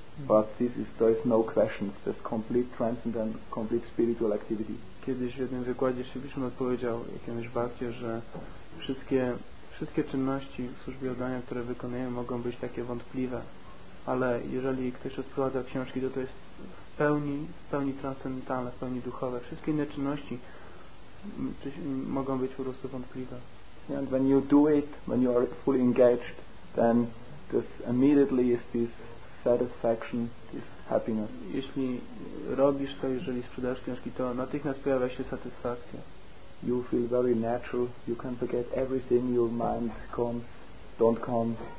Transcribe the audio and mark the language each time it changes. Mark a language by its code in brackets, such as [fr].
[en] But this is, there is no question. There's complete transcendent, complete spiritual activity. [pl] Kiedyś w jednym wykładzie Sri Krishna odpowiedział jakiemuś bhakcie, że wszystkie czynności w służbie oddania, które wykonujemy, mogą być takie wątpliwe. Ale jeżeli ktoś odprowadza książki, to jest w pełni transcendentalne, w pełni duchowe. Wszystkie inne czynności mogą być po prostu wątpliwe. [en] And when you do it, when you are fully engaged, then this immediately is this satisfaction, this happiness. [pl] Jeśli robisz to, jeżeli sprzedasz książki, to natychmiast pojawia się satysfakcja. [en] You feel very natural. You can forget everything. Your mind comes, don't come.